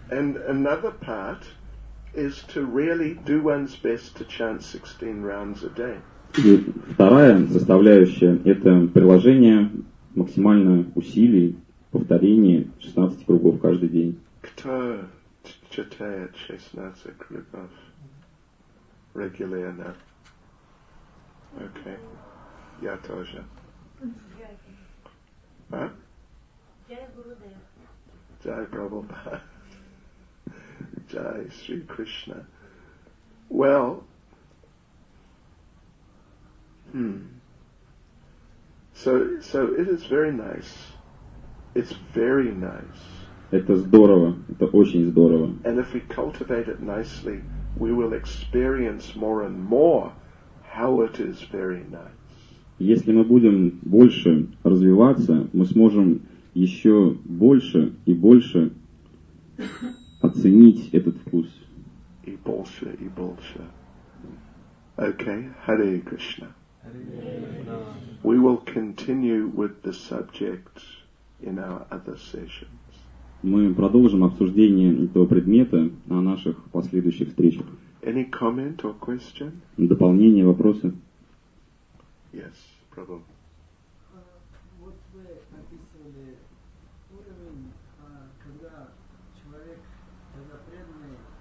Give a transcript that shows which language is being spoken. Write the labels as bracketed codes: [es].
[en] And another part is to really do one's best to chant 16 rounds a day. [ru] И вторая составляющая – это приложение максимально усилий, повторение 16 кругов каждый день. Кто читает 16 кругов регулярно? Окей, okay. Я тоже. А? Я Гурудев. Джай Прабхупада. Джай Шри Кришна. [en] Well, So it is very nice. It's very nice. [ru] Это здорово. Это очень здорово. [en] And if we cultivate it nicely, we will experience more and more how it is very nice. [ru] Если мы будем больше развиваться, мы сможем еще больше и больше оценить этот вкус. И больше, и больше. Okay, Hare Krishna. [en] We will continue with the subject in our other sessions. [ru] Мы продолжим обсуждение этого предмета на наших последующих встречах. [en] Any comment or question? [ru] Дополнение, вопросы? [en] Yes, Prabhu. [ru] Вот вы описывали уровень, когда человек, когда преданный,